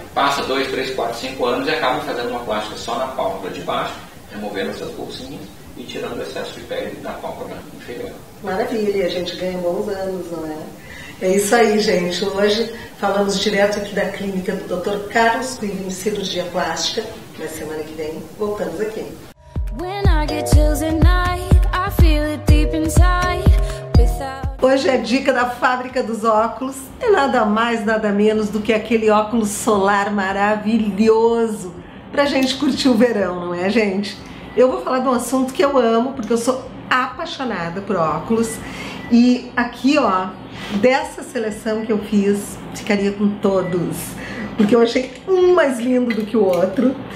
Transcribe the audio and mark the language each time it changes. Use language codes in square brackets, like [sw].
[pt] Passa 2, 3, 4, 5 anos e acabam fazendo uma plástica só na pálpebra de baixo, removendo essas bolsinhas e tirando o excesso de pele da pálpebra inferior. Maravilha, a gente ganha bons anos, não é? É isso aí, gente. Hoje falamos direto aqui da clínica do Dr. Carlos Quinn em cirurgia plástica. Na semana que vem, voltamos aqui. [en] When I get chills at night, I feel it deep inside. [pt] Hoje é dica da fábrica dos óculos, é nada mais, nada menos do que aquele óculos solar maravilhoso pra gente curtir o verão, não é, gente? Eu vou falar de um assunto que eu amo, porque eu sou apaixonada por óculos e aqui, ó, dessa seleção que eu fiz, ficaria com todos, porque eu achei um mais lindo do que o outro.